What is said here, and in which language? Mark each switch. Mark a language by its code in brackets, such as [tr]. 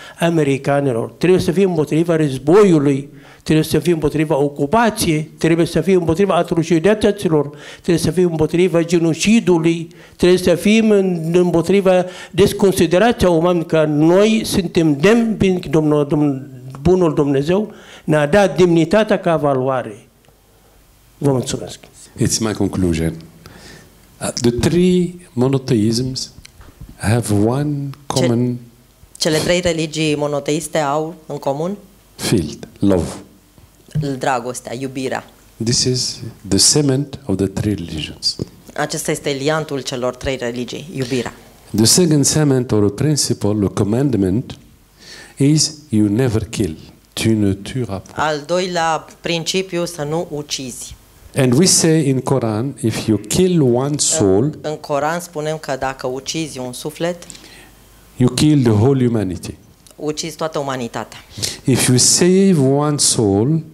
[ro] americanilor, trebuie să fim împotriva războiului, trebuie să fim împotriva ocupației, trebuie să fim împotriva atrocităților, trebuie să fim împotriva genocidului, trebuie să fim împotriva desconsiderația umană, că noi suntem demni, bunul Dumnezeu ne-a dat demnitatea ca valoare. Vă mulțumesc. [en] It's my conclusion. The three monotheisms have one common [ro] cele trei religii monoteiste au în comun? [en] Field, love. [ro] Dragostea, iubirea. [en] This is the cement of the three religions. [ro] Acesta este liantul celor trei religii, iubirea. [en] The second cement or a principle, a commandment is you never kill. [fr] Tu ne tueras pas. [ro] Al doilea principiu, să nu ucizi. [en] And we say in Quran, if you kill one soul, [ro] în Coran spunem că dacă ucizi un suflet, [en] you kill the whole humanity. [ro] Ucizi toată umanitatea. [en] If you save one soul,